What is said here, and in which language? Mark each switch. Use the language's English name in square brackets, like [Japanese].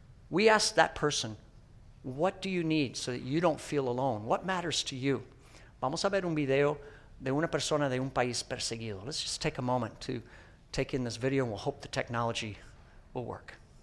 [English] We asked that person, what do you need so that you don't feel alone? What matters to you? [Spanish] Vamos a ver un video de una persona de un país perseguido. [English] Let's just take a moment to take in this video, and we'll hope the technology will work.